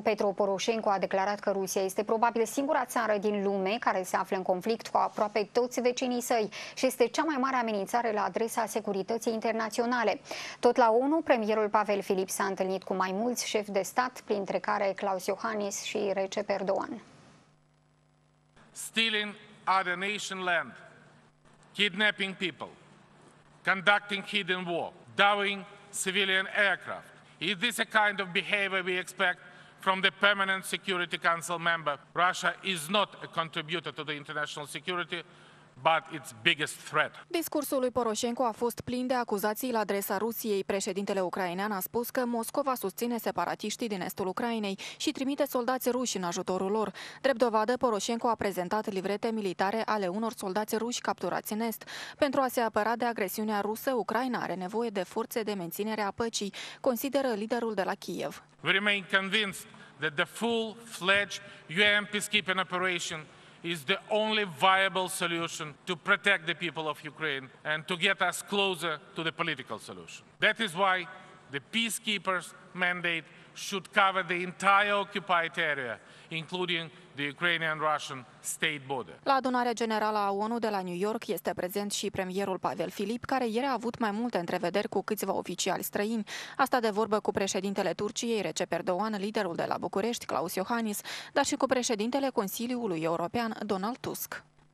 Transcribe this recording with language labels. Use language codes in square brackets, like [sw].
[ro] Petro Poroșenko a declarat că Rusia este probabil singura țară din lume care se află în conflict cu aproape toți vecinii săi și este cea mai mare amenințare la adresa securității internaționale. Tot la ONU, premierul Pavel Filip s-a întâlnit cu mai mulți șefi de stat, printre care Klaus Iohannis și Recep Erdogan. [en] Stealing our nation land, kidnapping people, conducting hidden war, downing civilian aircraft. Is this a kind of behavior we expect from the permanent Security Council member? Russia is not a contributor to the international security, but its biggest threat. [ro] Discursul lui Poroșenko a fost plin de acuzații la adresa Rusiei. Președintele ucrainean a spus că Moscova susține separatiștii din estul Ucrainei și trimite soldați ruși în ajutorul lor. Drept dovadă, Poroșenko a prezentat livrete militare ale unor soldați ruși capturați în est. Pentru a se apăra de agresiunea rusă, Ucraina are nevoie de forțe de menținere a păcii, consideră liderul de la Kiev. [en] We remain convinced that the full-fledged UN peacekeeping operation is the only viable solution to protect the people of Ukraine and to get us closer to the political solution. That is why the peacekeepers' mandate should cover the entire occupied area, including the Ukrainian-Russian state border. [ro] La adunarea generală a ONU de la New York este prezent și premierul Pavel Filip, care ieri a avut mai multe întrevederi cu câțiva oficiali străini. A stat de vorbă cu președintele Turciei, Recep Erdogan, liderul de la București, Klaus Iohannis, dar și cu președintele Consiliului European, Donald Tusk.